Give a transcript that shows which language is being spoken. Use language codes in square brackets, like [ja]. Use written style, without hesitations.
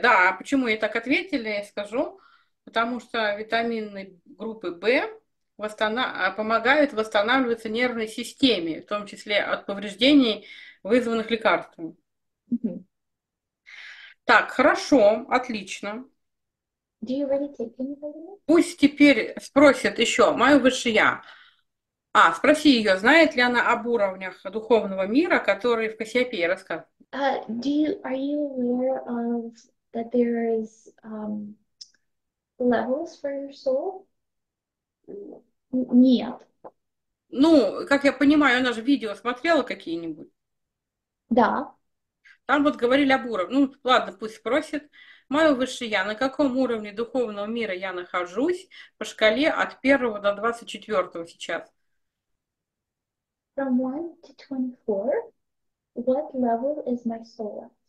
[ru] Да, а почему ей так ответили, я скажу. Потому что витамины группы B помогают восстанавливаться нервной системе, в том числе от повреждений, вызванных лекарствами. Так, хорошо, отлично. [en] Do you already take any vitamins? [ru] Пусть теперь спросит еще, мое высшее я. А, спроси ее, знает ли она об уровнях духовного мира, которые в Кассиопее рассказывают. [en] Are you aware of that there is levels for your soul? [ru] Нет. Ну, как я понимаю, она же видео смотрела какие-нибудь. Да. Там вот говорили об уровне. Ну, ладно, пусть спросит. Мое высшее я, на каком уровне духовного мира я нахожусь по шкале от 1 до 24 сейчас? [en] From 1 to 24, what level is my soul at?